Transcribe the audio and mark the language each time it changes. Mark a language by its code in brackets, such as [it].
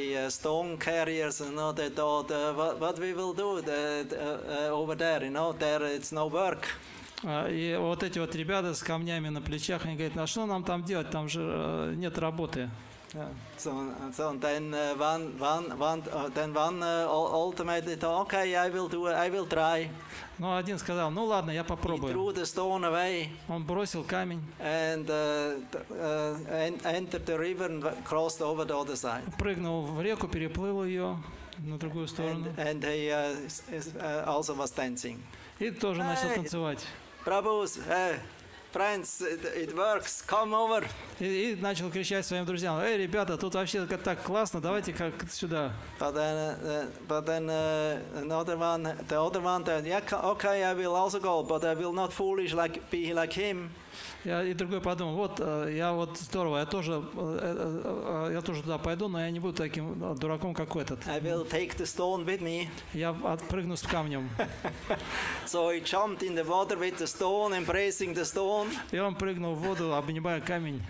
[en] Stone carriers, you know, they thought, what we will do over there, you know, there it's no work. [ru] И вот эти вот ребята с камнями на плечах, они говорят: а что нам там делать, там же нет работы. [en] I will try. [ru] Но один сказал: ну ладно, я попробую. [en] He threw the stone away. [ru] Он бросил камень. [en] And entered the river and crossed over the other side. [ru] Прыгнул в реку, переплыл ее на другую сторону. [en] And he also was dancing. [ru] И тоже начал танцевать. [en] Prabhus, friends, it works. Come over. [ru] И начал кричать своим друзьям: эй, ребята, тут вообще так классно, давайте как сюда. [en] But then the other one, yeah, okay, I will also go, but I will not foolish like be like him. [ru] Я и другой подумал, вот я вот здорово, я тоже туда пойду, но я не буду таким дураком, как этот. [en] I will take the stone with me. [ru] Я отпрыгну с камнем. [en] So he jumped in the water with the stone, embracing the stone. [ru] И он прыгнул в воду, обнимая камень.